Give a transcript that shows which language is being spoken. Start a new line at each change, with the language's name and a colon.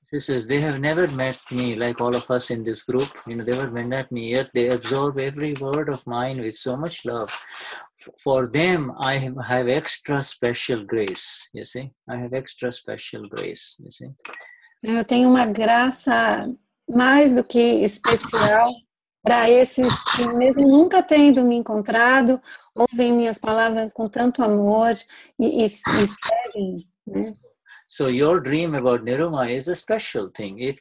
English: She says, they have never met me like all of us in this group. You know, they have never met me yet. They absorb every word of mine with so much love. For them, I have extra special grace, you see? I have extra special grace, you see?
Portuguese: Eu tenho uma graça mais do que especial para esses que mesmo nunca tendo me encontrado, ouvem minhas palavras com tanto amor e seguem, né?
English: So your dream about Niruma is a special thing.